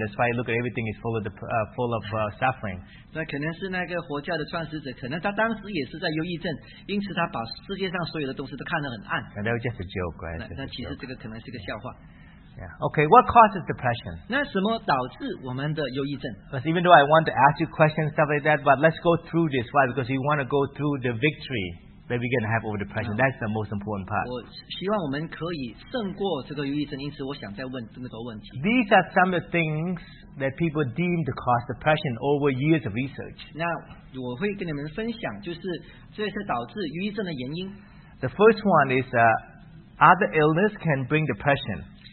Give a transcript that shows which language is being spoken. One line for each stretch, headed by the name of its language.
English: That's why you look at everything is full of suffering.
Chinese: 那可能是那个佛教的创始者，可能他当时也是在忧郁症，因此他把世界上所有的东西都看得很暗。
English: And that was just a joke, right?
Chinese: 那其实这个可能是个笑话。
English: Yeah. Okay. What causes depression?
Chinese: 那什么导致我们的忧郁症？
English: But even though I want to ask you questions stuff like that, but let's go through this. Why? Because you want to go through the victory that we're going to have over depression. That's the most important part.
Chinese: 我希望我们可以胜过这个忧郁症，因此我想再问这么多问题。
English: These are some of the things that people deem to cause depression over years of research.
Chinese: 那我会跟你们分享，就是这是导致忧郁症的原因。
English: The first one is other illness can bring depression.